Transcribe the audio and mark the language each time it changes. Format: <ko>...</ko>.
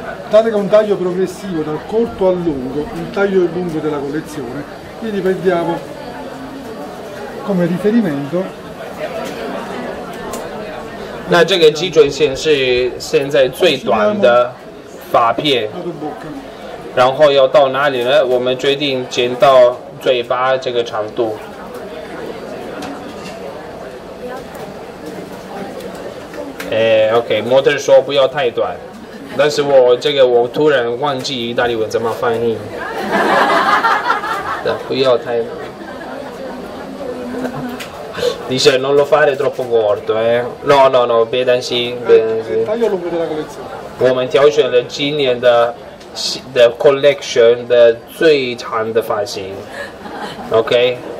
<it>State con un taglio progressivo dal corto al lungo, un taglio lungo della collezione. Quindi prendiamo come riferimento.</it> <zh>那这个基准线是现在最短的发片。然后要到哪里呢？我们决定剪到嘴巴这个长度。哎 ，OK， 模特说不要太短。但是我这个我突然忘记意大利文怎么翻译，不要太。</zh> <it>dice non lo fare troppo corto， no no no，</it> <zh>别担心，别担心。我们挑选了今年的collection 的最长的发型 ，OK。</zh>